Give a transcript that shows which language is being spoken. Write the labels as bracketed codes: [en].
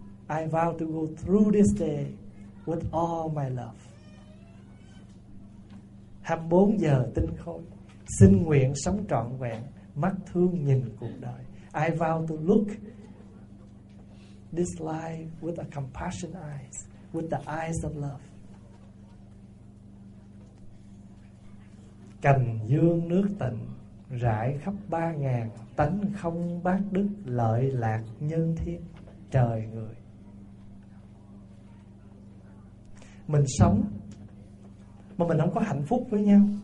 [en] I vow to go through this day with all my love. [vi] 24 giờ tinh khôi, xin nguyện sống trọn vẹn, mắt thương nhìn cuộc đời. [en] I vow to look this life with a compassionate eyes, with the eyes of love. [vi] Cành dương nước tịnh rải khắp 3000, tánh không bát đức, lợi lạc nhân thiên trời người. Mình sống mà mình không có hạnh phúc với nhau.